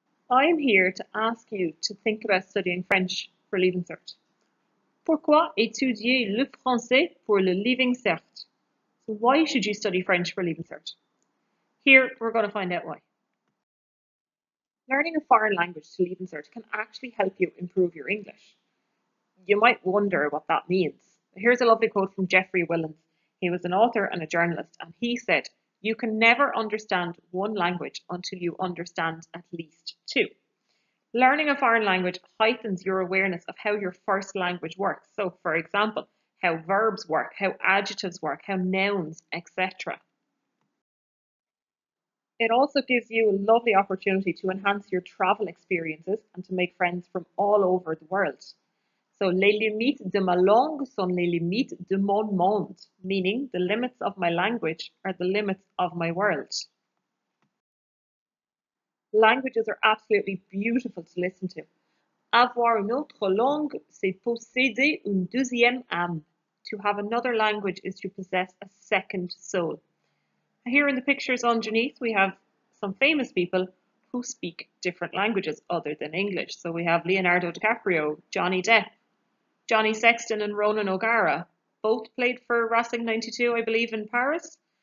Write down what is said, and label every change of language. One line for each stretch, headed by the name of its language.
English: I'm here to ask you to think about studying French for Leaving Cert.
French: Pourquoi étudier le français pour le Leaving Cert?
English: So why should you study French for Leaving Cert? Here, we're going to find out why. Learning a foreign language to Leaving Cert can actually help you improve your English. You might wonder what that means. Here's a lovely quote from Geoffrey Willens. He was an author and a journalist, and he said, "You can never understand one language until you understand at least two." Learning a foreign language heightens your awareness of how your first language works. So, for example, how verbs work, how adjectives work, how nouns, etc. It also gives you a lovely opportunity to enhance your travel experiences and to make friends from all over the world. So,
French: les limites de ma langue sont les limites de mon monde,
English: meaning the limits of my language are the limits of my world. Languages are absolutely beautiful to listen to.
French: Avoir une autre langue, c'est posséder une deuxième âme.
English: To have another language is to possess a second soul. Here in the pictures underneath, we have some famous people who speak different languages other than English. So, we have Leonardo DiCaprio, Johnny Depp, Johnny Sexton and Ronan O'Gara both played for Racing 92, I believe, in Paris.